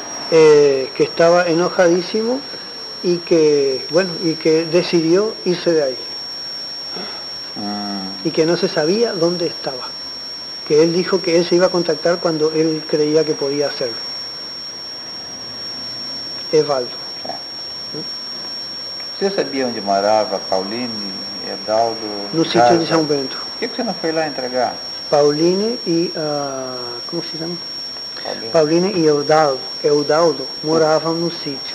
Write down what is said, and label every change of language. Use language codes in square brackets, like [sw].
[es] Que estava enojadíssimo. Y que, bueno, y que decidió irse de ahí. Y que no se sabía dónde estaba. Que él dijo que él se iba a contactar cuando él creía que podía hacerlo. Evaldo. [pt] Você sabia onde morava Pauline, Edaldo? No sítio de São Bento. Por que você não foi lá entregar? Pauline e... como se chama? Pauline e Eudaldo moravam no sítio.